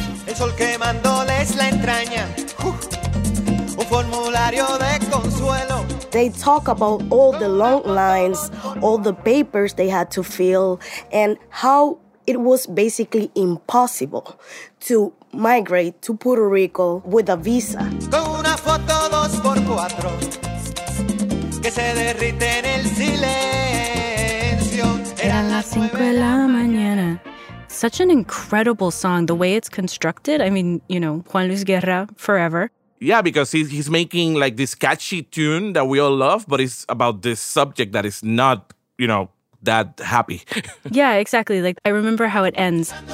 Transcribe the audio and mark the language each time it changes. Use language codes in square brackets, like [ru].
[es] El sol quemándoles la entraña, un formulario de consuelo. [en] They talk about all the long lines, all the papers they had to fill, and how it was basically impossible to migrate to Puerto Rico with a visa. [es] Con una foto dos por cuatro, que se derrite en el silencio. Eran las cinco de la mañana. [en] Such an incredible song, the way it's constructed. I mean, you know, Juan Luis Guerra, forever. Yeah, because he's making like this catchy tune that we all love, but it's about this subject that is not, you know, that happy. Yeah, exactly. Like, I remember how it ends.